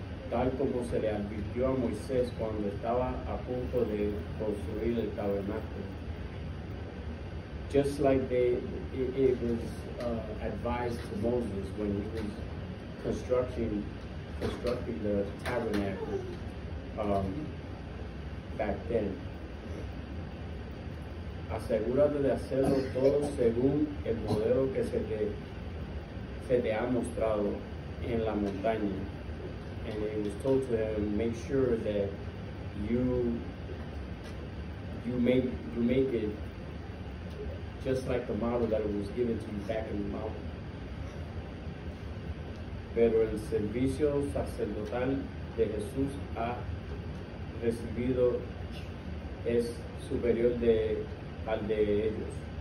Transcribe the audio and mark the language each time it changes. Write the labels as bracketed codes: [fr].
[es] Tal como se le advirtió a Moisés cuando estaba a punto de construir el tabernáculo. [en] Just like it was advised to Moses when he was constructing the tabernacle back then. [es] Asegúrate de hacerlo todo según el modelo que se te ha mostrado en la montaña. [en] And it was told to him, make sure that you make it just like the model that it was given to you back in the mountain. [es] Pero el servicio sacerdotal de Jesús ha recibido es superior al de ellos.